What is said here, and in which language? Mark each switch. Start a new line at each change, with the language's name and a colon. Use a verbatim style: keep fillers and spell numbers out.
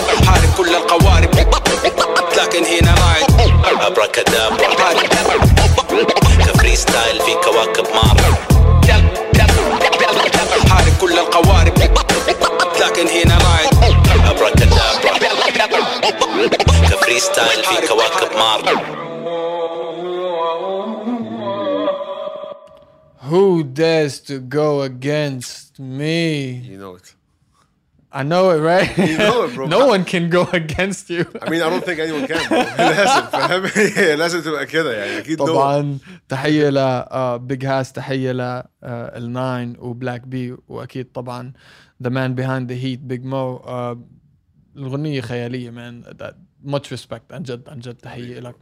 Arabic: حارب كل القوارب لكن هنا رايد أبرا كدابرا كفريستايل في كواكب مارة، حارب كل القوارب لكن هنا رايد أبرا كدابرا كفريستايل في كواكب مارة.
English: Who dares to go against me? You know it. I know it, right? You know it, bro. No one can go against you. I mean, I don't think anyone can.
Arabic: لازم فاهم لازم تبقى كده يعني أكيد. طبعا تحية لبيج هاس، تحية للناين وبلاك بي، وأكيد طبعا
English: the man behind the heat
Arabic: Big Mo. الغنية خيالية man.
English: Much respect
Arabic: عن جد عن جد تحية لك.